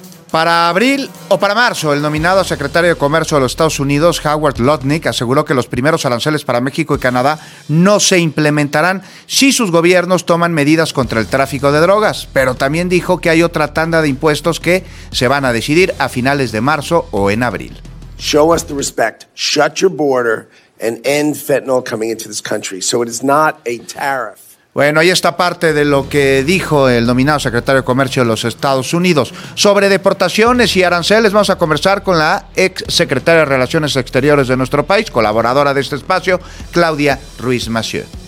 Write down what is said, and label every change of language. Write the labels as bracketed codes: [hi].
[es] Para abril o para marzo, el nominado secretario de Comercio de los Estados Unidos, Howard Lutnick, aseguró que los primeros aranceles para México y Canadá no se implementarán si sus gobiernos toman medidas contra el tráfico de drogas. Pero también dijo que hay otra tanda de impuestos que se van a decidir a finales de marzo o en abril. [en] Show us the respect. Shut your border and end fentanyl coming into this country. So it is not a tariff. [es] Bueno, ahí está parte de lo que dijo el nominado secretario de Comercio de los Estados Unidos. Sobre deportaciones y aranceles, vamos a conversar con la ex secretaria de Relaciones Exteriores de nuestro país, colaboradora de este espacio, Claudia Ruiz Massieu.